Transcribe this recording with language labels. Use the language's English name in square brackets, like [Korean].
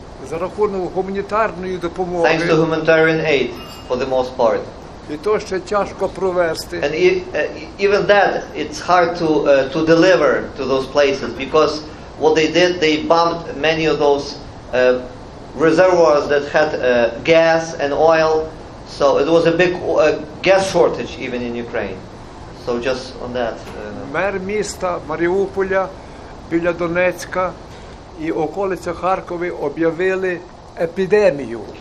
[Ukrainian] За рахунок гуманітарної допомоги. [English] Thanks to humanitarian aid. For the most part. [Ukrainian] І то ще тяжко провести. [English] And even that, it's hard to deliver to those places, because what they did, they bombed many of those reservoirs that had gas and oil, so it was a big gas shortage even in Ukraine. So just on that. [Ukrainian] Мер міста Маріуполя біля Донецька і околиця Харкова об'явили епідемію.